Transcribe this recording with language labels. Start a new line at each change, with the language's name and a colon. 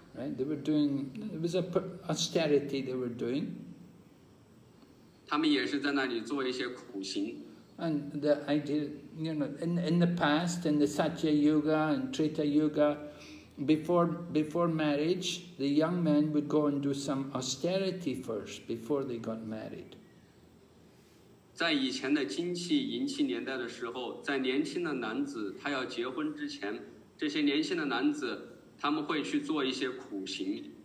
English: Right, they were doing, it was a austerity they were doing.
Chinese: 他们也是在那里做一些苦行.
English: And the idea, you know, in the past, in the Satya Yuga and Treta Yuga, Before marriage, the young men would go and do some austerity first before they got married.
Chinese: 在以前的金器银器年代的时候，在年轻的男子他要结婚之前，这些年轻的男子他们会去做一些苦行.